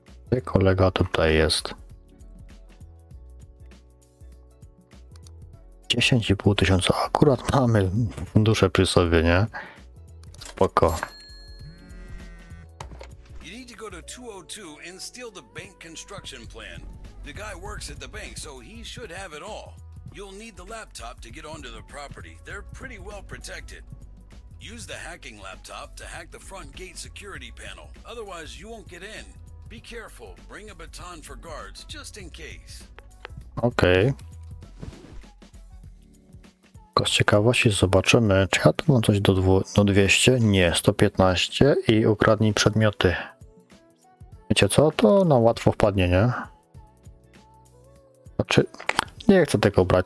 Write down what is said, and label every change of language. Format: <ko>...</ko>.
<pl>Gdzie kolega tutaj jest? 10,5 tysiąca. Akurat mamy duszę przy sobie, nie? Spoko.</pl> <en>You need to go to 202 and steal the bank construction plan. The guy works at the bank, so he should have it all. You'll need the laptop to get onto the property. They're pretty well protected. Use the hacking laptop to hack the front gate security panel. Otherwise, you won't get in. Be careful. Bring a baton for guards, just in case.</en> <pl>Okej. Tylko z ciekawości zobaczymy, czy ja tu mam coś do 200? Nie, 115 i ukradnij przedmioty. Wiecie co? To na łatwo wpadnie, nie? Znaczy... Nie chcę tego brać.</pl>